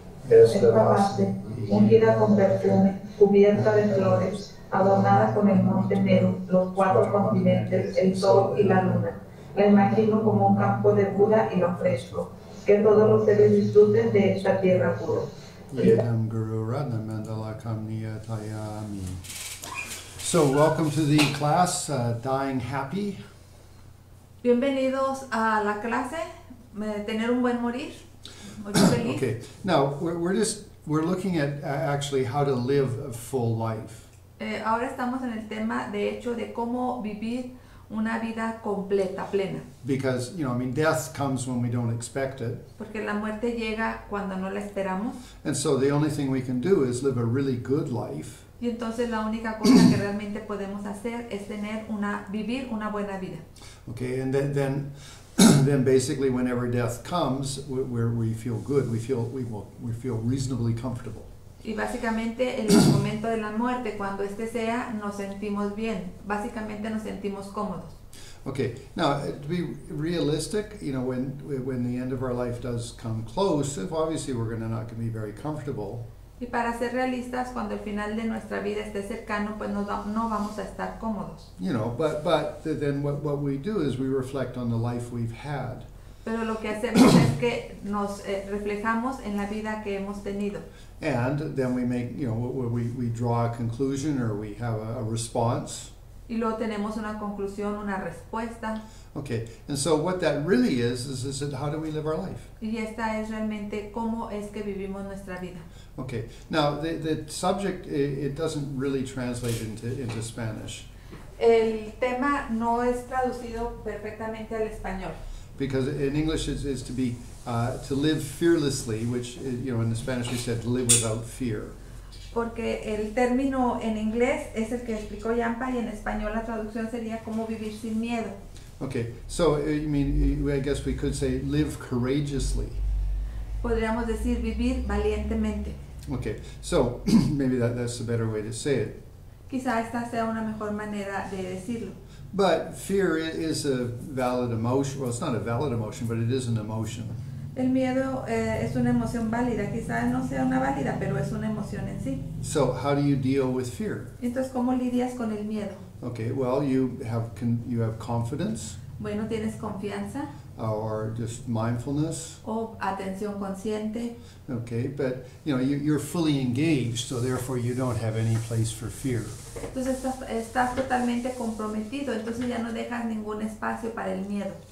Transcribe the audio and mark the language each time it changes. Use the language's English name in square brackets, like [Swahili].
[Spanish] Esta base, ungida con perfume, cubierta de flores, adornada con el monte Meru, los cuatro continentes, el sol y la luna, la imagino como un campo de Buda y lo ofrezco. Que todos los seres disfruten de esta tierra pura. [Sanskrit] Yedam Guru Ratna Mandala Kamniya Tayami. [English] So, welcome to the class, Dying Happy. [Spanish] Bienvenidos a la clase, Tener un buen morir. [English] Okay, now we're looking at actually how to live a full life. [Spanish] Ahora estamos en el tema, de hecho, de cómo vivir una vida completa, plena. [English] Because, you know, I mean, death comes when we don't expect it. [Spanish] Porque la muerte llega cuando no la esperamos. [English] And so the only thing we can do is live a really good life. [Spanish] Y entonces la única cosa que realmente podemos hacer es tener una, vivir una buena vida. [English] Okay, and then basically whenever death comes, we feel good, we feel reasonably comfortable. [Spanish] Y básicamente en el momento de la muerte, cuando este sea, nos sentimos bien. Básicamente nos sentimos cómodos. [English] Okay. Now, to be realistic, you know, when the end of our life does come close, if obviously we're going to not going to be very comfortable. [Spanish] Y para ser realistas, cuando el final de nuestra vida esté cercano, pues no vamos a estar cómodos. [English] You know, but then what we do is we reflect on the life we've had. [Spanish] Pero lo que hacemos es que nos reflejamos en la vida que hemos tenido. [English] And then we make, you know, we draw a conclusion or we have a response. [Spanish] Y luego tenemos una conclusión, una respuesta. [English] Okay, and so what that really is that how do we live our life? [Spanish] Y esta es realmente cómo es que vivimos nuestra vida. [English] Okay, now the subject, it doesn't really translate into Spanish. [Spanish] El tema no es traducido perfectamente al español. [English] Because in English it is to be to live fearlessly, which, you know, in the Spanish we said to live without fear. [Spanish] Porque el término en inglés es el que explicó Yampa y en español la traducción sería como vivir sin miedo. [English] Okay, so you mean, I guess we could say live courageously. [Spanish] Podríamos decir vivir valientemente. [English] Okay, so maybe that's a better way to say it. [Spanish] Quizá esta sea una mejor manera de decirlo. [English] But fear is a valid emotion. Well, it's not a valid emotion, but it is an emotion. [Spanish] El miedo es una emoción válida. Quizás no sea una válida, pero es una emoción en sí. [English] So how do you deal with fear? [Spanish] Entonces, ¿cómo lidias con el miedo? [English] Okay, well, you have confidence. [Spanish] Bueno, tienes confianza. [English] Or just mindfulness. [Spanish] O atención consciente. [English] Okay, but you know you're fully engaged, so therefore you don't have any place for fear. [Spanish] Entonces estás totalmente comprometido, entonces ya no dejas ningún espacio para el miedo.